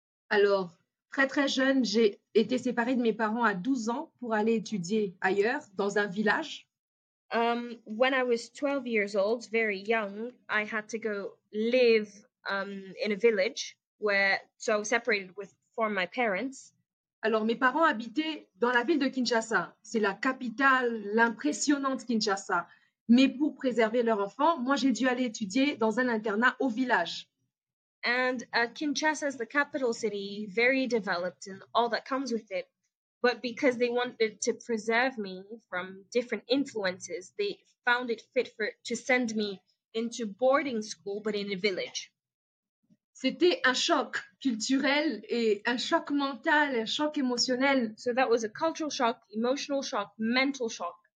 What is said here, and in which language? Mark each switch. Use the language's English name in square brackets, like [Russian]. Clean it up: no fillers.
[French] Alors, très très jeune, j'ai été séparée de mes parents à 12 ans pour aller étudier ailleurs, dans un village. [English] When I was 12 years old, very young, I had to go live in a village. where, so I was separated with from my parents. [French] Alors, mes parents habitaient dans la ville de Kinshasa. C'est la capitale, l'impressionnante Kinshasa. Mais pour préserver leur enfant, moi, j'ai dû aller étudier dans un internat au village. [English] And Kinshasa is the capital city, very developed and all that comes with it. But because they wanted to preserve me from different influences, they found it fit for to send me into boarding school, but in a village. [French] C'était un choc culturel et un choc mental, un choc émotionnel. [English] So that was a cultural shock, emotional shock, mental shock.